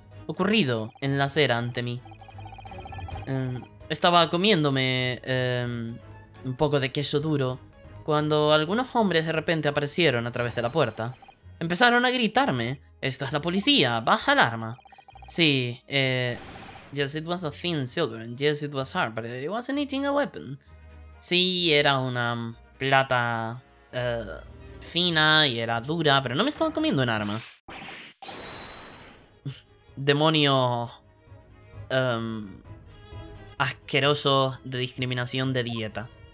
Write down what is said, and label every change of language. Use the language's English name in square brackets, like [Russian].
[Spanish] ocurrido en la acera ante mí. Estaba comiéndome un poco de queso duro cuando algunos hombres de repente aparecieron a través de la puerta. Empezaron a gritarme: ¡Esta es la policía! ¡Baja el arma! Sí, [English] Yes, it was a thin silver. Yes, it was hard, but it wasn't eating a weapon. [Spanish] Sí, era una plata fina y era dura, pero no me estaba comiendo un arma. Demonio asqueroso de discriminación de dieta.